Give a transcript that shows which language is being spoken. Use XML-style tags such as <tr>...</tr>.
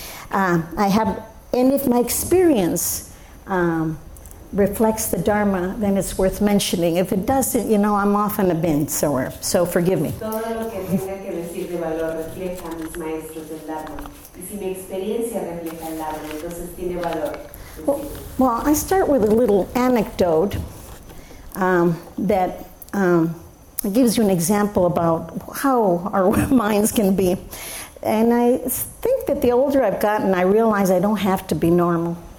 <en>And if my experience reflects the Dharma, then it's worth mentioning. If it doesn't, you know, I'm off on a bin somewhere, so forgive me.</en> <es>Todo lo que tenga que decir de valor refleja mis maestros del Dharma. Y si mi experiencia refleja el Dharma, entonces tiene valor.</es> <en>Well, I start with a little anecdote that... it gives you an example about how our minds can be. And I think that the older I've gotten, I realize I don't have to be normal.</en>